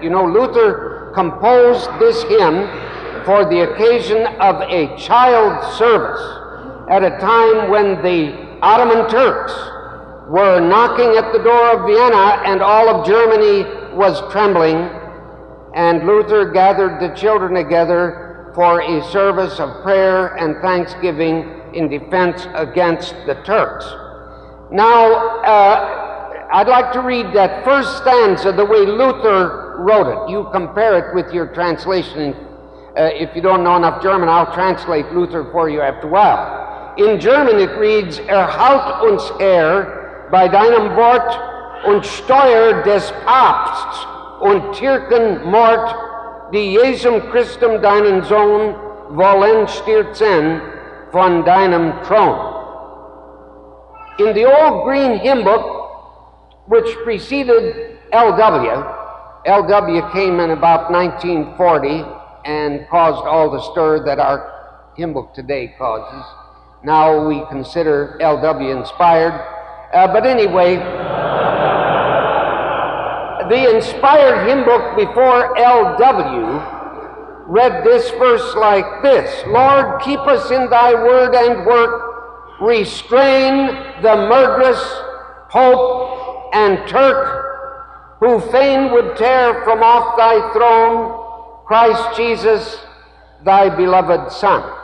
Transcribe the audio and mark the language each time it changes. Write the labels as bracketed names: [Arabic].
[English] You know, Luther composed this hymn for the occasion of a child service at a time when the Ottoman Turks were knocking at the door of Vienna and all of Germany was trembling, and Luther gathered the children together for a service of prayer and thanksgiving in defense against the Turks. Now, I'd like to read that first stanza the way Luther wrote it. You compare it with your translation. If you don't know enough German, I'll translate Luther for you after a while. In German, it reads, [German] Erhalt uns Herr bei deinem Wort und Steuer des Papsts und Türken Mord, die Jesum Christum deinen Sohn wollen stürzen von deinem Thron. [English] In the old green hymn book, which preceded LW came in about 1940 and caused all the stir that our hymn book today causes. Now we consider LW inspired. But anyway, the inspired hymn book before LW read this verse like this: Lord, keep us in thy word and work, restrain the murderous Pope and Turk, who fain would tear from off thy throne Christ Jesus, thy beloved Son.